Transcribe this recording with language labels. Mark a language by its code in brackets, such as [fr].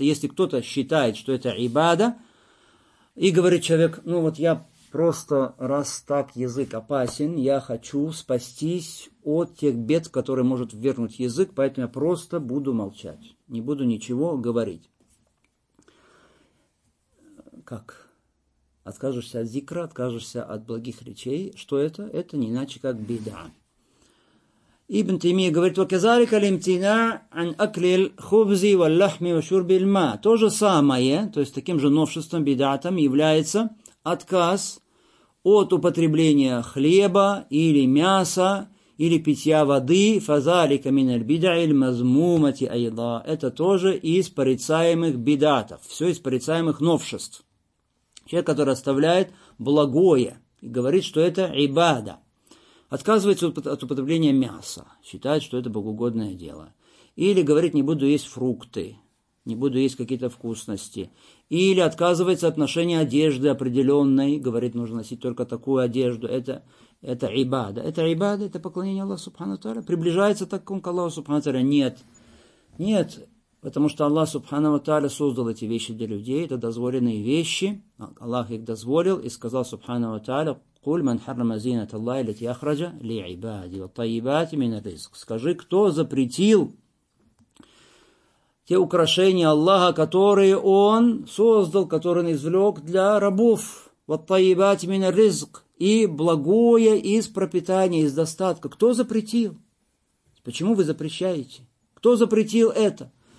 [ru] Если кто-то считает, что это ибада, и говорит человек, ну вот я просто, раз так язык опасен, я хочу спастись от тех бед, которые может ввергнуть язык, поэтому я просто буду молчать, не буду ничего говорить. Как? Откажешься от зикра, откажешься от благих речей. Что это? Это не иначе, как беда. Ибн Таймия говорит, [ar] وَكَذَلِكَ الْإِمْتِنَا عَنْ أَكْلِ الْخُبْزِ وَاللَّحْمِ وَشُرْبِ الْمَا. [ru] То же самое, то есть таким же новшеством, бидатом является отказ от употребления хлеба или мяса, или питья воды. [ar] فَذَلِكَ مِنَ الْبِدَعِ الْمَزْمُومَةِ أَيْضًا. [ru] Это тоже из порицаемых бидатов, все из порицаемых новшеств. Человек, который оставляет благое и говорит, что это ибада. Отказывается от употребления мяса, считает, что это богоугодное дело. Или говорит, не буду есть фрукты, не буду есть какие-то вкусности. Или отказывается от ношения одежды определенной, говорит, нужно носить только такую одежду. Это ибада. Это ибада, это поклонение Аллаху Субхану ва Тааля. Приближается так он к Аллаху Субхану ва Тааля? Нет. Нет, потому что Аллах Субхану ва Тааля создал эти вещи для людей, это дозволенные вещи. Аллах их дозволил и сказал Субхану ва Тааля, [ar] قُلْ مَنْ حَرَّمَ زِينَةَ اللَّهِ الَّتِي أَخْرَجَ لِعِبَادِ وَطَيِّبَاتِ مِنَ الرِّزْقِ. [ru] Скажи, кто запретил те украшения Аллаха, которые Он создал, которые Он извлек для рабов? [ar] وَطَيِّبَاتِ مِنَ الرِّزْقِ. [ru] И благое из пропитания, из достатка. Кто запретил? Почему вы запрещаете? Кто запретил это?